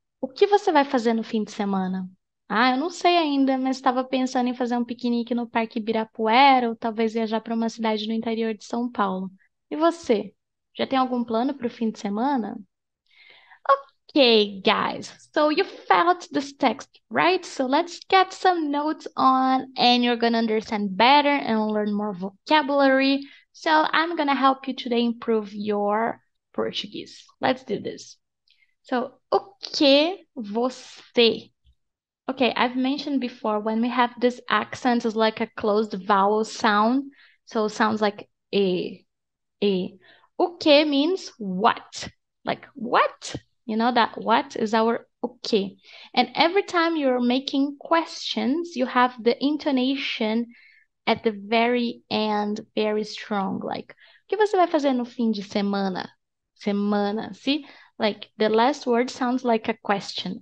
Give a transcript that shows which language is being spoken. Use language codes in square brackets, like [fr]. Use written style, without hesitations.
[pt] O que você vai fazer no fim de semana? Ah, eu não sei ainda, mas estava pensando em fazer um piquenique no Parque Ibirapuera ou talvez viajar para uma cidade no interior de São Paulo. E você? Já tem algum plano para o fim de semana? [en] Okay, guys. So you felt this text, right? So let's get some notes on and you're going to understand better and learn more vocabulary. So I'm going to help you today improve your Portuguese. Let's do this. So, [pt] o que você? [en] Okay, I've mentioned before, when we have this accent, it's like a closed vowel sound. So it sounds like a, e. O que means what? Like what? You know that what is our o que. And every time you're making questions, you have the intonation at the very end, very strong. Like, [pt] o que você vai fazer no fim de semana? [en] Semana, see? Like, the last word sounds like a question.